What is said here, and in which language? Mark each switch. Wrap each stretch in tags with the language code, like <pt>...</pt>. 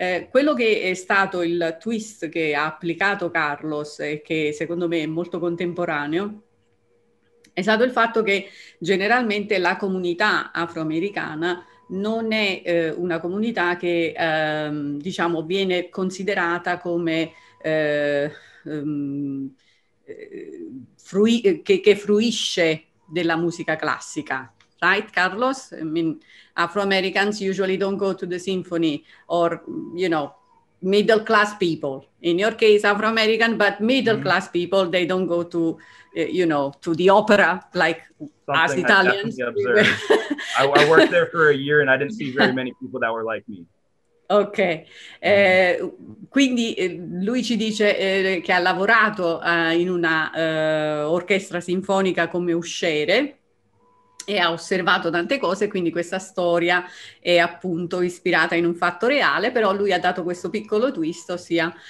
<it>Quello che è stato il twist che ha applicato Carlos, e che secondo me è molto contemporaneo, è stato il fatto che generalmente la comunità afroamericana non è una comunità che, diciamo, viene considerata come che fruisce della musica classica.</it> <en>Right, Carlos? I mean, Afro-Americans usually don't go to the symphony, or, you know, middle-class people. In your case, Afro-American, but middle-class people, they don't go to, you know, to the opera, like something us Italians. I worked there for a year and I didn't see very many people that were like me.</en> <it>Ok, quindi lui ci dice che ha lavorato in una orchestra sinfonica come usciere, e ha osservato tante cose, quindi questa storia è appunto ispirata in un fatto reale, però lui ha dato questo piccolo twist, ossia</it>